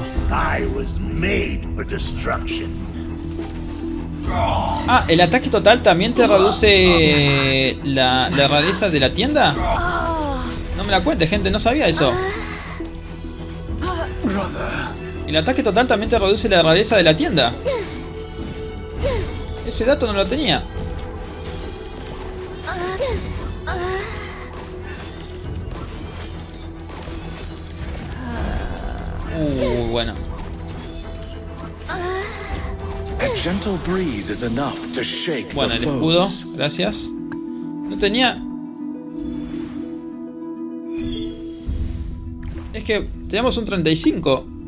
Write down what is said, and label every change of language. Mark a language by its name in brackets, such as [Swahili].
[English] I was made for destruction. [Spanish] Ah, el ataque total también te reduce la rareza de la tienda. No me la cuentes, gente, no sabía eso. El ataque total también te reduce la rareza de la tienda. Ese dato no lo tenía. Bueno. [English] A gentle breeze is enough to shake. [Spanish] Bueno, el escudo, gracias. No tenía. Es que tenemos un 35.